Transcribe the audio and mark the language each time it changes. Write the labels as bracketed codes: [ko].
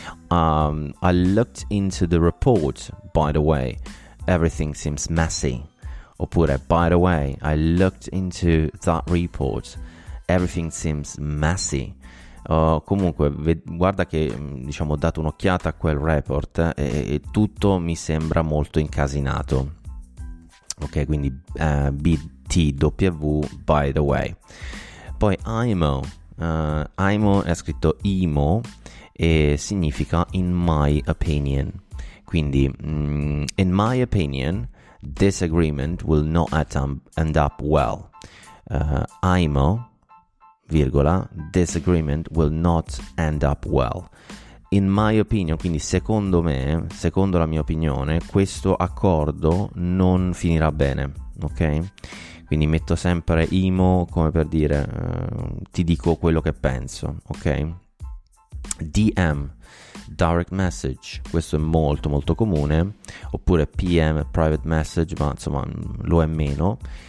[en] I looked into the report, by the way, everything seems messy. [it] Oppure, [en] by the way, I looked into that report, everything seems messy. [it] Comunque, guarda che, diciamo, ho dato un'occhiata a quel report e tutto mi sembra molto incasinato. Ok, quindi BTW, [en] by the way. [it] Poi IMO, IMO è scritto IMO e significa [en] in my opinion. [it] Quindi, [en] in my opinion, disagreement will not end up well. IMO, [it] virgola, [en] disagreement will not end up well. In my opinion, [it] quindi secondo me, secondo la mia opinione, questo accordo non finirà bene, ok? Quindi metto sempre IMO come per dire, ti dico quello che penso, ok? DM, direct message, questo è molto molto comune, oppure PM, private message, ma insomma lo è meno.